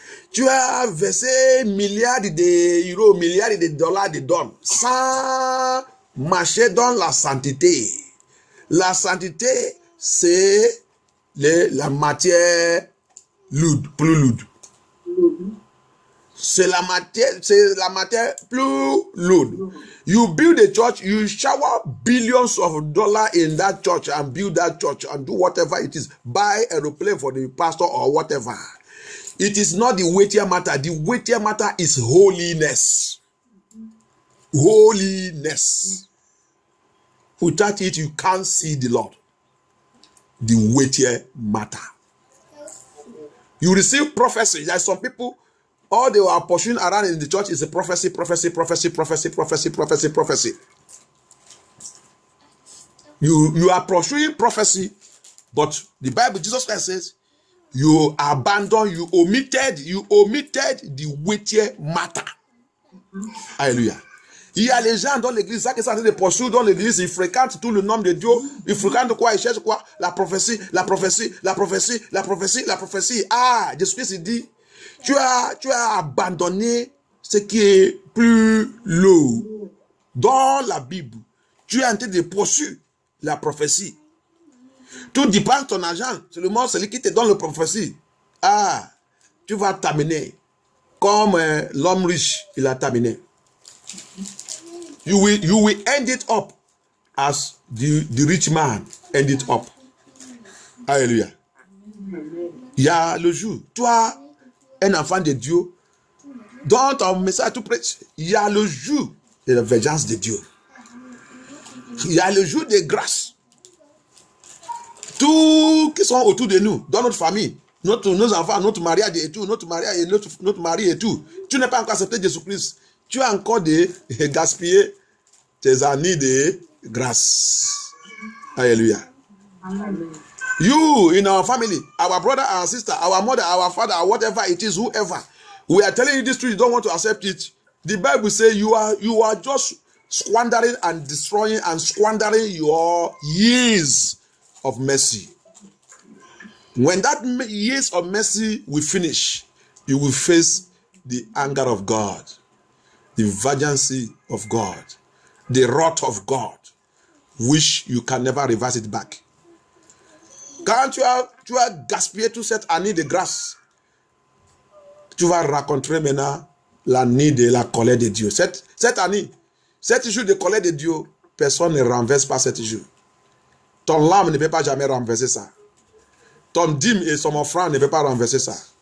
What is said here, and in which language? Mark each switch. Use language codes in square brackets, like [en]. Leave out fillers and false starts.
[fr] Tu as versé milliards d'euros, milliards de dollars de dons sans marcher dans la sainteté. La sainteté, c'est la matière lourde, plus lourde. C'est la matière plus lourde. [en] You build a church, you shower billions of dollars in that church and build that church and do whatever it is. Buy a replay for the pastor or whatever. It is not the weightier matter. The weightier matter is holiness. Holiness. Without it, you can't see the Lord. The weightier matter. You receive prophecy. There are some people, all they are pursuing around in the church is a prophecy, prophecy, prophecy, prophecy, prophecy, prophecy, prophecy. You are pursuing prophecy, but the Bible, Jesus Christ says, you abandoned, you omitted the weightier matter. Hallelujah. [fr] Il y a les gens dans l'église, ça qui sont en train de poursuivre dans l'église, ils fréquentent tout le nom de Dieu, ils fréquentent quoi, ils cherchent quoi? La prophétie, la prophétie, la prophétie, la prophétie, la prophétie. Ah, Jésus-Christ dit, tu as abandonné ce qui est plus lourd dans la Bible. Tu es en train de poursuivre la prophétie. Tout dépend de ton argent, seulement celui qui te donne la prophétie. Ah, tu vas terminer comme l'homme riche, il a terminé. [en] You will end it up as the rich man end it up. [fr] Alléluia. Il y a le jour, toi, un enfant de Dieu, dans ton message, tu prêches, il y a le jour de la vengeance de Dieu. Il y a le jour de grâce. Tous qui sont autour de nous, dans notre famille, nos enfants, notre mariage et tout, notre mariage et notre mari et tout, tu n'as pas encore accepté Jésus-Christ. Tu as encore de gaspiller tes années de grâce. Alléluia. Amen. [en] You, in our family, our brother, our sister, our mother, our father, whatever it is, whoever, we are telling you this truth, you don't want to accept it. The Bible says you are just squandering and destroying and squandering your years of mercy. When that years of mercy will finish, you will face the anger of God. The vengeance of God, the wrath of God, which you can never reverse it back. [fr] Quand tu as gaspillé toute cette année de grâce, tu vas rencontrer maintenant l'année de la colère de Dieu. Cette année, cet jour de colère de Dieu, personne ne renverse pas cet jour. Ton âme ne peut pas jamais renverser ça. Ton dîme et son offrande ne peut pas renverser ça.